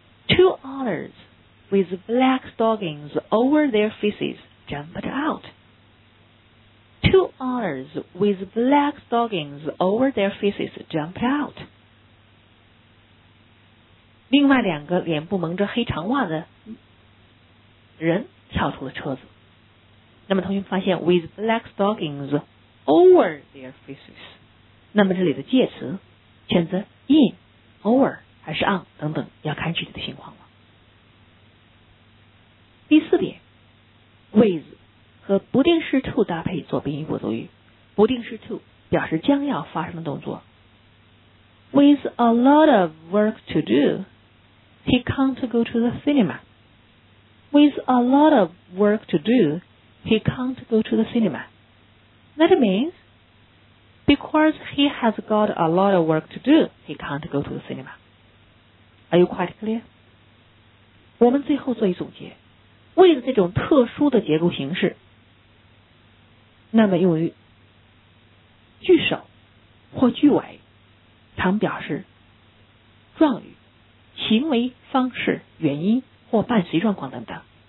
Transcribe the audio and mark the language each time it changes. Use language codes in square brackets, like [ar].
[en] two otters with black stockings over their faces jumped out. Two otters with black stockings over their faces jumped out. [zh] 另外两个脸部蒙着黑长袜的人跳出了车子。那么同学们发现 [en] with black stockings over their faces， [zh] 那么这里的介词选择 in、over 还是 on 等等，要看具体的情况了。第四点， with 和不定式 to 搭配做宾语补足语，不定式 to 表示将要发生的动作。 [en] With a lot of work to do he can't go to the cinema. With a lot of work to doHe can't go to the cinema. That means, because he has got a lot of work to do, he can't go to the cinema. Are you quite clear? [zh] 我们最后做一总结。为了这种特殊的结构形式，那么用于句首或句尾，常表示状语、行为方式、原因或伴随状况等等。